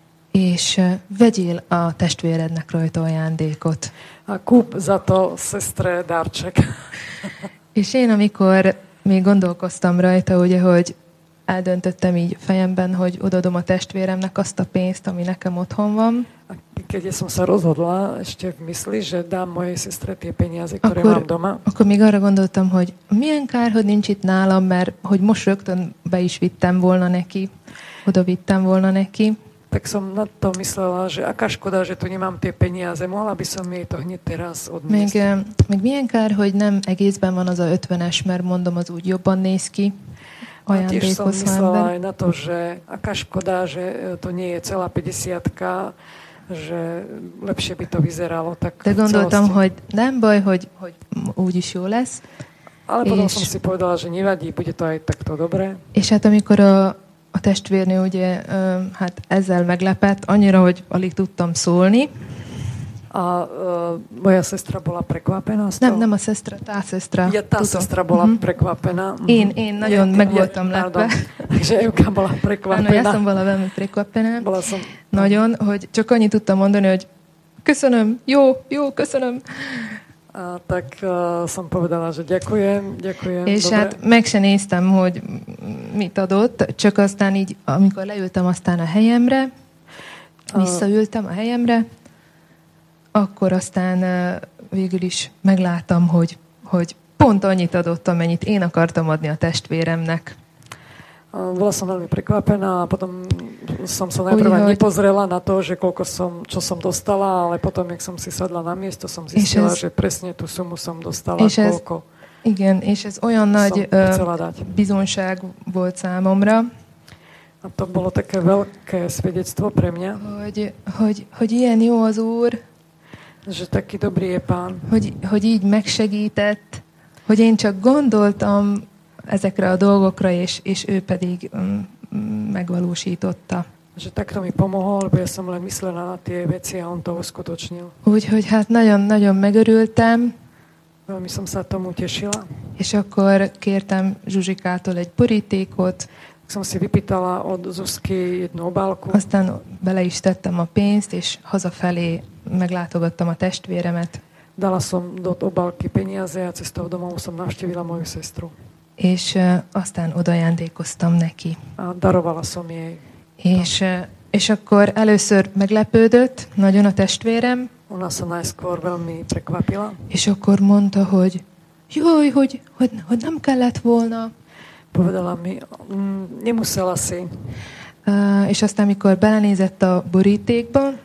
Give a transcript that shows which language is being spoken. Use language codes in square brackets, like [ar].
[hu] És vegyél a testvérednek rajta ajándékot. [sk] A kúp za to sestre darček. [hu] És én, amikor még gondolkoztam rajta, ugye, hogy eldöntöttem így fejemben, hogy odaadom a testvéremnek azt a pénzt, ami nekem otthon van. [sk] A keď som sa rozhodla, ešte v mysli, že dám mojej sestre tie peniaze, ktoré akkor, mám doma. [hu] Akkor még arra gondoltam, hogy milyen kár, hogy nincs itt nálam, mert hogy most rögtön be is vittem volna neki, oda vittem volna neki. [sk] Tak som na to myslela, že aká škoda, že tu nemám tie peniaze, mohla by som jej to hneď teraz odniesť. [hu] Még milyen kár, hogy nem egészben van az a 50-es, mert mondom, az úgy jobban néz ki. [sk] A tiež som myslela aj na to, že aká škoda, že to nie je celá 50-ka, že lepšie by to vyzeralo tak. [hu] De gondoltam, hogy nem baj, hogy úgy is jó lesz. [sk] Ale potom som si povedala, že nevadí, bude to aj takto dobre. [hu] És hát amikor a testvérnő ugye hát ezzel meglepett, annyira, hogy alig tudtam szólni. [sk] A moja sestra bola prekvapená. [hu] Nem [sk] a sestra, tá sestra. Ja, tá sestra bola prekvapená. [hu] Én nagyon megvoltam lepve. [sk] Takže Júka bola prekvapená. Áno, ja som bola veľmi prekvapená. Bola som. [hu] Nagyon, hogy csak annyit tudtam mondani, hogy köszönöm, jó, köszönöm. [sk] A tak som povedala, že ďakujem. [hu] És hát meg se néztem, hogy mit adott, csak aztán így, amikor leültem aztán a helyemre, visszaültem a helyemre, akkor aztán végül is megláttam, hogy pont annyit adott, amennyit én akartam adni a testvéremnek. [sk] Bola som veľmi prekvapená a potom som sa najprv nepozrela na to, že koľko som, čo som dostala, ale potom, jak som si sadla na miesto, som zistila, že presne tú sumu som dostala, koľko. [hu] Igen, és ez olyan nagy bizonság volt számomra. [sk] A to bolo také veľké svedectvo pre mňa. [hu] Hogy ilyen jó az Úr. [sk] Že taký dobrý je Pán. [hu] Hogy így megsegített, hogy én csak gondoltam ezekre a dolgokra, és ő pedig megvalósította. [sk] Že takto mi pomohol, bo ja som len myslela na tie veci a on to uskutočnil. [hu] Úgyhogy hát nagyon-nagyon megörültem. [sk] Veľmi som sa tomu tešila. [hu] És akkor kértem Zsuzsikától egy borítékot. [sk] Som si vypýtala od Zuzky jednu obálku. [hu] Aztán bele is tettem a pénzt, és hazafelé meglátogattam a testvéremet. [sk] Dala som do obálky peniaze a cestou domov som navštívila moju sestru. [hu] És aztán odajándékoztam neki. [sk] A darovala som jej. [hu] És akkor először meglepődött nagyon a testvérem. [sk] Ona sa najskôr veľmi prekvapila. [hu] És akkor mondta, hogy jaj, hogy nem kellett volna. [sk] Povedala mi, nemusela si. [hu] És aztán, mikor belenézett a borítékba,